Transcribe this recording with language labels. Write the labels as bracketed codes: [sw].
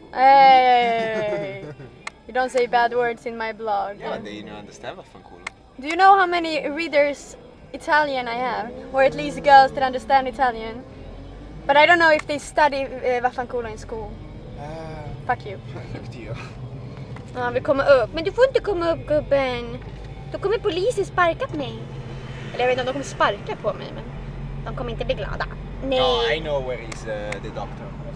[en] Hey! You don't say bad words in my blog. Yeah, but you don't understand what fanculo. Do you know how many readers Italian I have? Or at least girls that understand Italian? But I don't know if they study vaffanculo in school. Fuck you. Fuck [sv] you. Ah, vi kommer upp. Men du får inte komma upp, gubben. Då kommer polisen sparka på mig. Eller jag vet inte om de kommer sparka på mig, men de kommer inte bli glada. Nej. [en] No, I know where is the doctor.